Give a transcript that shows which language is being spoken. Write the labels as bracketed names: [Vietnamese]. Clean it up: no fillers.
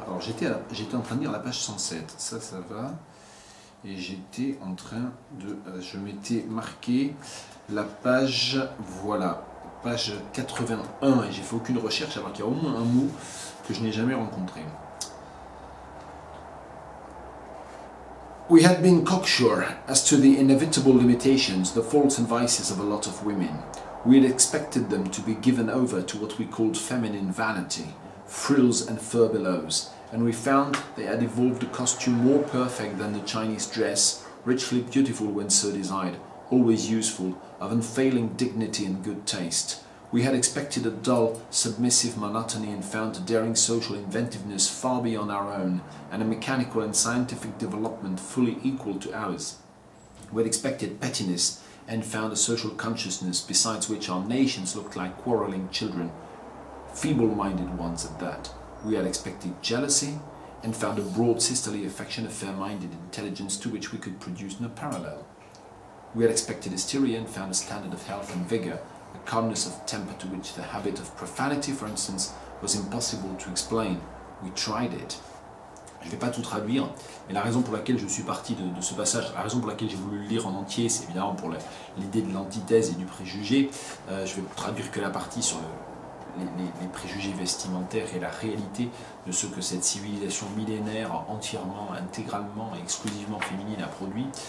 [French] Alors j'étais en train de lire la page 107, ça va, et j'étais en train de, je m'étais marqué la page, voilà, page 81, et j'ai fait aucune recherche, alors qu'il y a au moins un mot que je n'ai jamais rencontré. [English] We had been cocksure as to the inevitable limitations, the faults and vices of a lot of women. We had expected them to be given over to what we called feminine vanity, frills and furbelows, and we found they had evolved a costume more perfect than the Chinese dress, richly beautiful when so desired, always useful, of unfailing dignity and good taste. We had expected a dull, submissive monotony and found a daring social inventiveness far beyond our own and a mechanical and scientific development fully equal to ours. We had expected pettiness and found a social consciousness besides which our nations looked like quarreling children, feeble-minded ones at that. We had expected jealousy and found a broad sisterly affection, a fair-minded intelligence to which we could produce no parallel. We had expected hysteria and found a standard of health and vigor, a calmness of temper to which the habit of profanity, for instance, was impossible to explain. We tried it. [French] Je ne vais pas tout traduire, mais la raison pour laquelle je suis parti de ce passage, la raison pour laquelle j'ai voulu le lire en entier, c'est évidemment pour l'idée de l'antithèse et du préjugé. Je vais traduire que la partie sur les préjugés vestimentaires et la réalité de ce que cette civilisation millénaire, entièrement, intégralement et exclusivement féminine a produit.